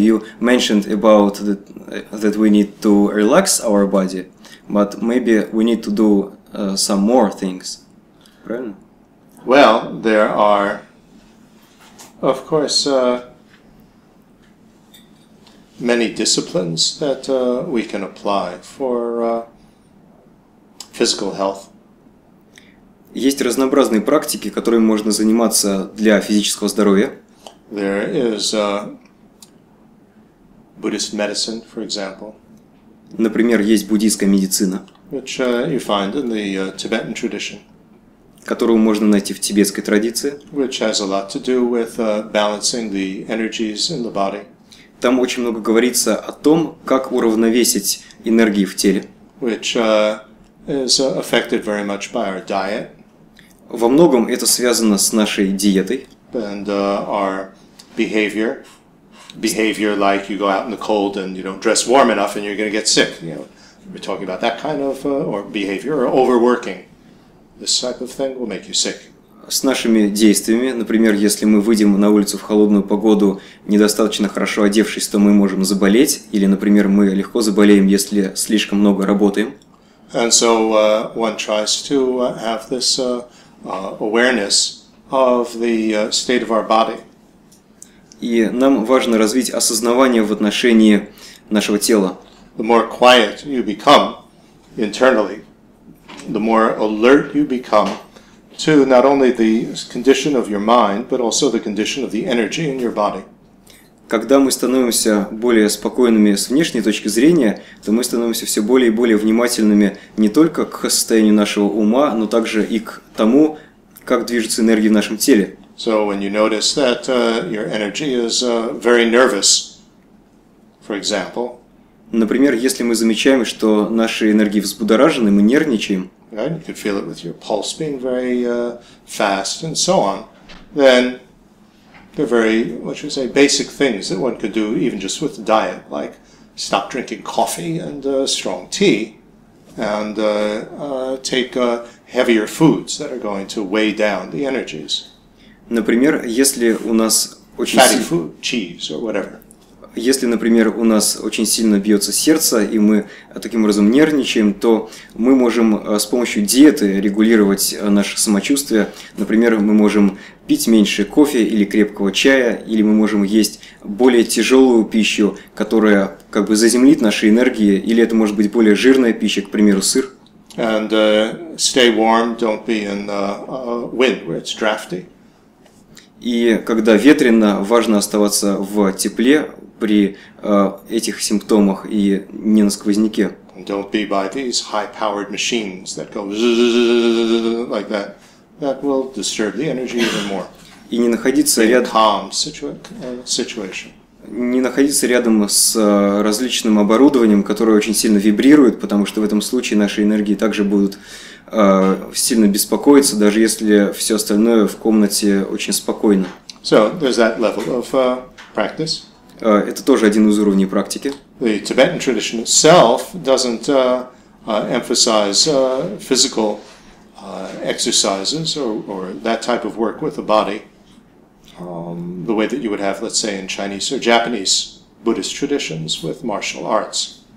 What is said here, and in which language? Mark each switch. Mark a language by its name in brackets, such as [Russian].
[English] You mentioned about that we need to relax our body, but maybe we need to do some more things. [Russian] Правильно? [English] Well, there are, of course, many disciplines that we can apply for physical health. [Russian] Есть разнообразные практики, которыми можно заниматься для физического здоровья. [English] There is Buddhist medicine, for example. [Russian] Например, есть буддийская медицина, [English] which you find in the Tibetan tradition. [Russian] Которую можно найти в тибетской традиции. [English] Which has a lot to do with balancing the energies in the body. [Russian] Там очень много говорится о том, как уравновесить энергии в теле. [English] Which is affected very much by our diet. [Russian] Во многом это связано с нашей диетой. [English] And our behavior. Behavior like you go out in the cold and you don't dress warm enough and you're going to get sick. You know, we're talking about that kind of or behavior or overworking. This type of thing will make you sick. [Russian] С нашими действиями, например, если мы выйдем на улицу в холодную погоду, недостаточно хорошо одевшись, то мы можем заболеть, или, например, мы легко заболеем, если слишком много работаем. [English] And so one tries to have this awareness of the state of our body. [Russian] И нам важно развить осознавание в отношении нашего тела. [English] The more quiet you become internally, the more alert you become to not only the condition of your mind, but also the condition of the energy in your body. [Russian] Когда мы становимся более спокойными с внешней точки зрения, то мы становимся все более и более внимательными не только к состоянию нашего ума, но также и к тому, как движется энергия в нашем теле. [English] So when you notice that your energy is very nervous, for example, [Russian] например, если мы замечаем, что наши энергии взбудоражены, мы нервничаем. [English] Right? You could feel it with your pulse being very fast and so on. Then they're very, what should I say, basic things that one could do even just with diet, like stop drinking coffee and strong tea, and take heavier foods that are going to weigh down the energies. [Russian] Например, если у нас очень [English] fatty food, cheese or whatever. [Russian] Если, например, у нас очень сильно бьется сердце, и мы таким образом нервничаем, то мы можем с помощью диеты регулировать наше самочувствие. Например, мы можем пить меньше кофе или крепкого чая, или мы можем есть более тяжелую пищу, которая как бы заземлит наши энергии, или это может быть более жирная пища, к примеру, сыр. [English] And stay warm, don't be in the wind where it's drafty. [Russian] И когда ветрено, важно оставаться в тепле при этих симптомах и не на сквозняке. [English] Don't be by these high-powered machines that go like that. That will disturb the energy even more. [Russian] И не находиться рядом. [English] Calm situation. [Russian] Не находиться рядом с различным оборудованием, которое очень сильно вибрирует, потому что в этом случае наши энергии также будут сильно беспокоиться, даже если все остальное в комнате очень спокойно. [English] So there's that level of practice. [Russian] Это тоже один из уровней практики. [English] The Tibetan tradition itself doesn't emphasize physical exercises or that type of work with the body the way that you would have, let's say, in Chinese or Japanese Buddhist traditions with martial arts.